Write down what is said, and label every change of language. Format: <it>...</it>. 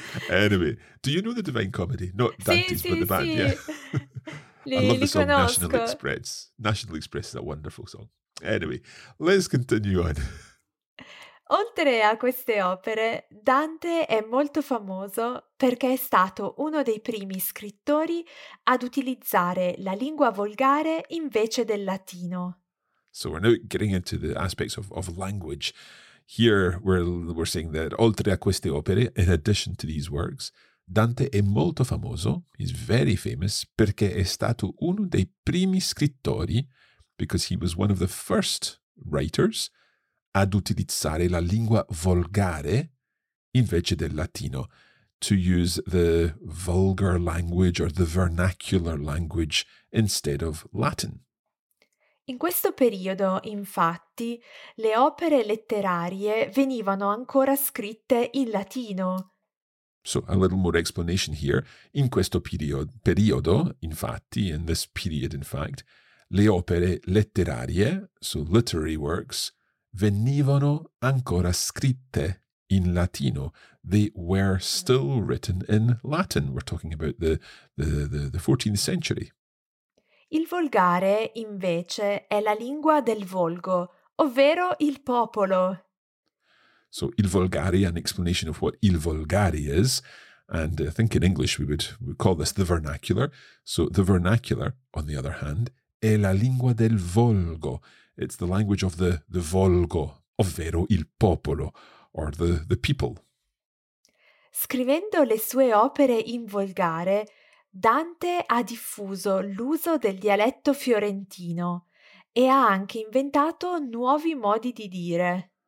<en>Anyway, do you know the Divine Comedy? Not Dante's,</en> <it>sì,</it> <en>but the band,</en> <it>sì.</it> <en>Yeah.</en> <it>Li,</it> <en>I love the song</en> <it>conosco.</it> <en>National Express. National Express is a wonderful song. Anyway, let's continue on.</en> <it>Oltre a queste opere, Dante è molto famoso perché è stato uno dei primi scrittori ad utilizzare la lingua volgare invece del latino.</it> <en>So we're now getting into the aspects of language. Here we're saying that</en> <it>oltre a queste opere,</it> <en>in addition to these works,</en> <it>Dante è molto famoso,</it> <en>he's very famous,</en> <it>perché è stato uno dei primi scrittori,</it> <en>because he was one of the first writers,</en> <it>ad utilizzare la lingua volgare invece del latino,</it> <en>to use the vulgar language or the vernacular language instead of Latin.</en> <it>In questo periodo, infatti, le opere letterarie venivano ancora scritte in latino.</it> <en>So, a little more explanation here. In questo periodo, infatti, in this period, in fact, le opere letterarie, so literary works, venivano ancora scritte in latino. They were still written in Latin. We're talking about the 14th century.</en> <it>Il volgare, invece, è la lingua del volgo, ovvero il popolo.</it> <en>So, il volgare, an explanation of what il volgare is, and I think in English we would call this the vernacular. So, the vernacular, on the other hand,</en> <it>è la lingua del volgo.</it> <en>It's the language of the volgo,</en> <it>ovvero il popolo,</it> <en>or the people.</en> <it>Scrivendo le sue opere in volgare, Dante ha diffuso l'uso del dialetto fiorentino e ha anche inventato nuovi modi di dire.</it>